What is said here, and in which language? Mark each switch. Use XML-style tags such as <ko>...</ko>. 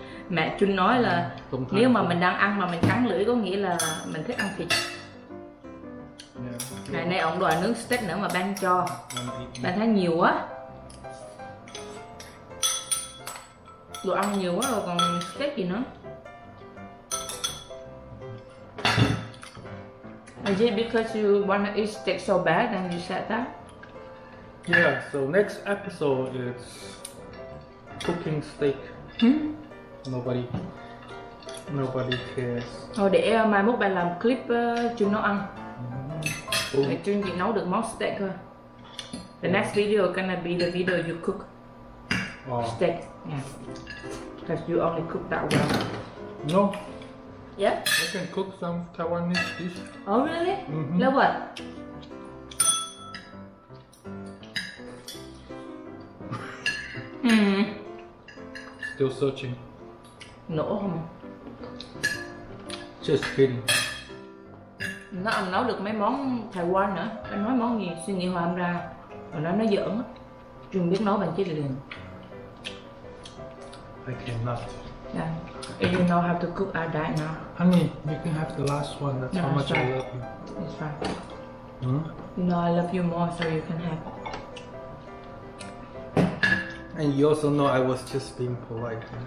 <vi>Mẹ Trinh nói là nếu mà mình đang ăn mà mình cắn lưỡi có nghĩa là mình thích ăn thịt. Ngày nay ông đòi nướng steak nữa mà Ben cho. Ben thấy nhiều quá. Đồ ăn nhiều quá rồi còn steak gì nữa.</vi> <en>Is it because you want to eat steak so bad and you said that? Yeah, so next episode is cooking steak. Nobody cares.</en> <vi>Thôi để mai mốt bạn làm clip chúng nó ăn. Để chúng chỉ nấu được món steak thôi.</vi> <en>The next video gonna be the video you cook steak. Yeah. Cause you only cook that well. No. Yeah. I can cook some Taiwanese dish. Oh really? Mm-hmm. Like what? Still searching.</en> <vi>Nổ không?</vi> <en>Just kidding.</en> <vi>Nó ăn nấu được mấy món Thái Lan nữa. Nó nói món gì, suy nghĩ hòa âm ra. Rồi nó nói giỡn á. Chưa biết nấu bằng chết liền.</vi> <en>I cannot. Yeah. If you know how to cook, I'll die now. Honey, you can have the last one. That's how much I love you. It's fine. Hmm? You know I love you more, so you can have. And you also know I was just being polite.</en>